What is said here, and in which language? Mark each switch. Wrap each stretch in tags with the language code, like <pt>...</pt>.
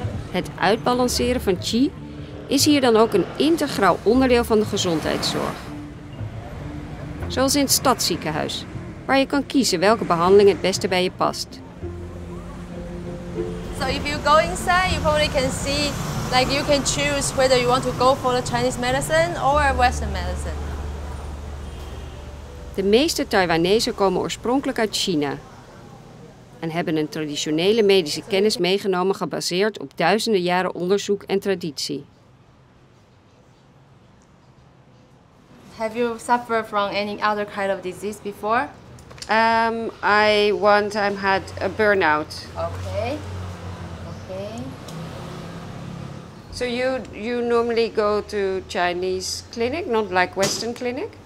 <nl>Het uitbalanceren van qi is hier dan ook een integraal onderdeel van de gezondheidszorg. Zoals in het stadsziekenhuis, waar je kan kiezen welke behandeling het beste bij je past.</nl> <en>So if you go inside, you probably can see, like you can choose whether you want to go for the Chinese medicine or Western medicine.</en> <nl>De meeste Taiwanese komen oorspronkelijk uit China en hebben een traditionele medische kennis meegenomen gebaseerd op duizenden jaren onderzoek en traditie.</nl> <en>Have you suffered from any other kind of disease before? I one time had a burnout. Okay. Okay. So you normally go to Chinese clinic, not like Western clinic?</en>